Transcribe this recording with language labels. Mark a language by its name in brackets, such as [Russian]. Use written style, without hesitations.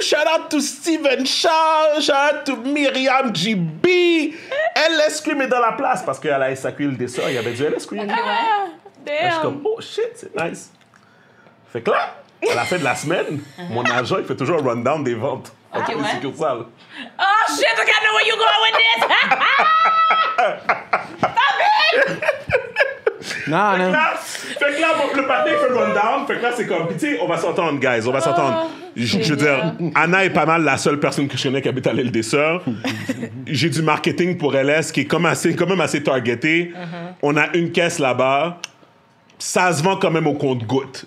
[English] Shout out to Steven Charles! Shout out to Myriam GB! [French] LS Cream est dans la place parce qu'à la SAQ, il descend, il y avait du LS Cream. [English] Ah, damn! [French] Je suis comme, [English] oh shit, [French] c'est nice. Fait que là, à la fin de la semaine, mon agent, il fait toujours un rundown des ventes. Ok, ouais. C'est tout sale. [English] Oh shit, I can't know where you're going with this! Stop it! [French] Non, non. Fait que là, le partner fait run down. Fait que là, c'est comme, tu sais, on va s'entendre, guys. On va s'entendre. Je veux dire, Anna est pas mal la seule personne que je connais qui habite à l'île des Sœurs. J'ai du marketing pour LS qui est comme assez, quand même assez targeté. Uh-huh. On a une caisse là-bas. Ça se vend quand même au compte-goutte.